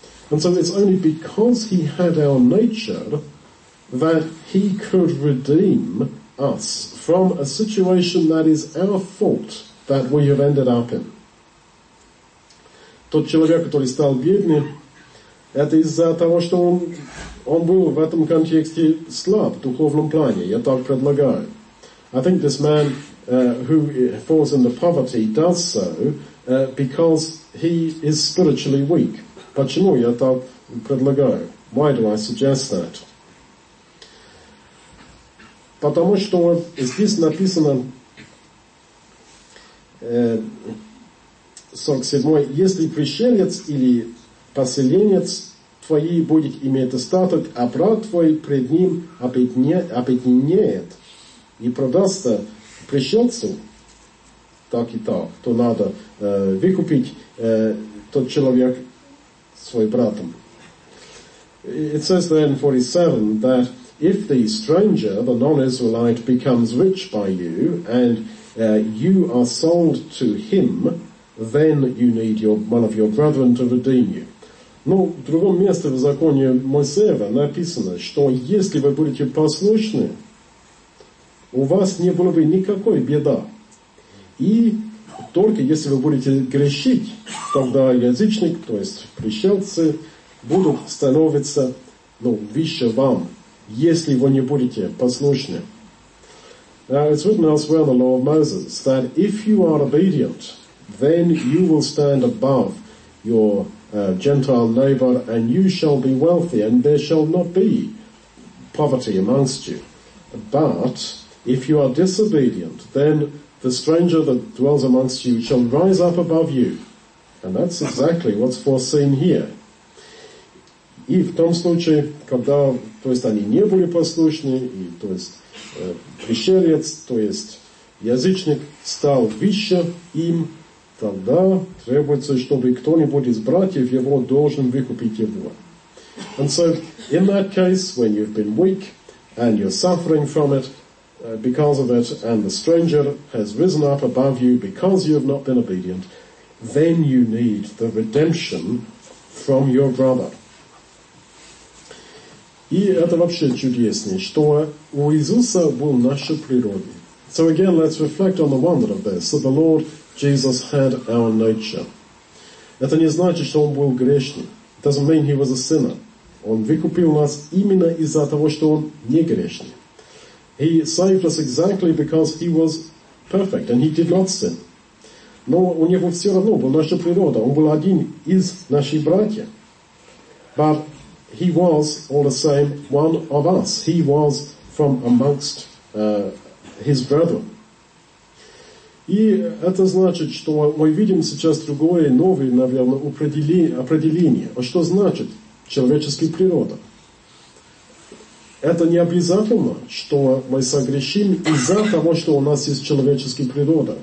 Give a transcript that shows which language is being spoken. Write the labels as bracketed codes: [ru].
[en] And so it's only because He had our nature that He could redeem us from a situation that is our fault that we have ended up in. [ru] Тот человек, который стал бедным, это из-за того, что он был в этом контексте слаб в духовном плане, я так предлагаю. [en] I think this man who falls into poverty does so because he is spiritually weak. [ru] Почему я так предлагаю? [en] Why do I suggest that? [ru] Потому что здесь написано 47-й, если пришелец или поселенец твой будет иметь достаток, а брат твой пред ним обеднеет и продастся пришельцу, так и так, то надо выкупить тот человек своим братом. [en] It says there in 47 that if the stranger, the non-Israelite, becomes rich by you, and you are sold to him, then you need one of your brethren to redeem you. [ru] Но в другом месте в законе Моисеева написано, что если вы будете послушны, у вас не было бы никакой беды. И только если вы будете грешить, тогда язычник, то есть пришельцы, будут становиться, ну, выше вам, если вы не будете послушны. [en] Now, it's written elsewhere in the law of Moses that if you are obedient, then you will stand above your Gentile neighbor, and you shall be wealthy, and there shall not be poverty amongst you. But if you are disobedient, then the stranger that dwells amongst you shall rise up above you. And that's exactly what's foreseen here. [ru] И в том случае, когда, то есть они не были послушны, и, то есть пришелец, то есть язычник стал выше им, тогда требуется, чтобы кто-нибудь из братьев его должен выкупить его. [en] And so, in that case, when you've been weak and you're suffering from it, because of it, and the stranger has risen up above you because you have not been obedient, then you need the redemption from your brother. [ru] И это вообще чудеснее, что у Иисуса был наша природа. [en] So again, let's reflect on the wonder of this. So the Lord Jesus had our nature. [ru] Это не значит, что Он был грешным. [en] It doesn't mean He was a sinner. [ru] Он выкупил нас именно из-за того, что Он не грешный. [en] He saved us exactly because He was perfect and He did not sin. [ru] Но у Него все равно была наша природа. Он был один из наших братьев. [en] But He was, all the same, one of us. He was from amongst his brethren. [ru] И это значит, что мы видим сейчас другое, новое, наверное, определение. А что значит человеческая природа? Это не обязательно, что мы согрешим из-за того, что у нас есть человеческая природа.